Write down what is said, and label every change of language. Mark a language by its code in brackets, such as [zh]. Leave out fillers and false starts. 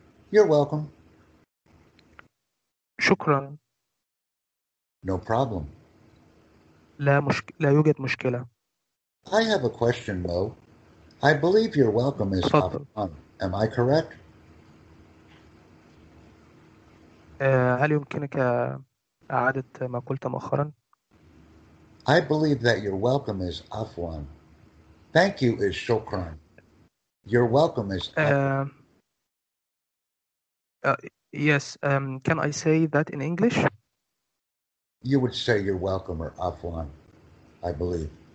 [en] You're welcome. [ar] شكرا. [en] No problem. [ar] لا يوجد مشكلة. [en] I have a question, Mo. I believe you're welcome is [ar] Afan. [en] Am I correct? [ar] هل يمكنك إعادة ما قلت مؤخرا؟ [en] I believe that your welcome is Afwan. Thank you is Shukran. Your welcome is Yes, can I say that in English? You would say you're welcome or Afwan, I believe.